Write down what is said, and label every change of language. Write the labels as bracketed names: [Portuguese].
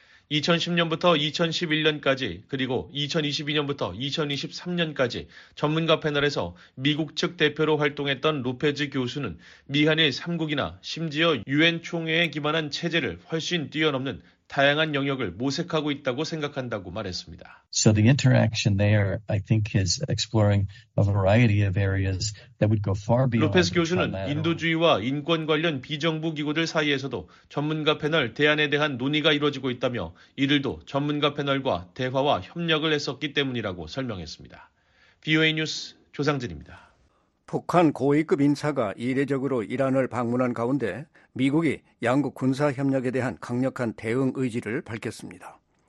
[Korean] 2010년부터 2011년까지 그리고 2022년부터 2023년까지 전문가 패널에서 미국 측 대표로 활동했던 로페즈 교수는 미한의 3국이나 심지어 유엔 총회에 기반한 체제를 훨씬 뛰어넘는 다양한 영역을 모색하고 있다고 생각한다고 말했습니다. [English] So the interaction there, I think, is exploring a variety of areas that would go far beyond. [Korean] 로페스 교수는 인도주의와 인권 관련 비정부 기구들 사이에서도 전문가 패널 대안에 대한 논의가 이루어지고 있다며 이들도 전문가 패널과 대화와 협력을 했었기 때문이라고 설명했습니다. VOA 뉴스 조상진입니다. 북한 고위급 인사가 이례적으로 이란을 방문한 가운데 미국이 양국 군사협력에 대한 강력한 대응 의지를 밝혔습니다.